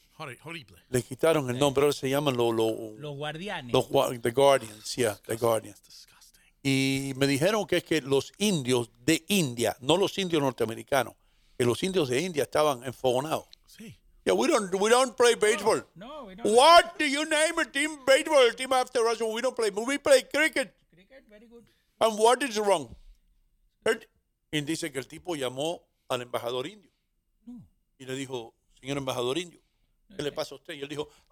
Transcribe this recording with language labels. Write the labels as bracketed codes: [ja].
[es] Horrible. Le quitaron el nombre, ahora se llaman los Guardianes. [en] The Guardians, yeah, the Guardians. [es] Y me dijeron que es que los indios de India, no los indios norteamericanos, que los indios de India estaban enfogonados. Sí. [en] Yeah, we don't play baseball. No, we don't. What do you name a team baseball, a team after us, when we don't play? We play cricket. Cricket, very good. And what is wrong? [es] Y dice que el tipo llamó al embajador indio. Y le dijo, señor embajador indio, ¿qué le pasa a usted? Y él dijo,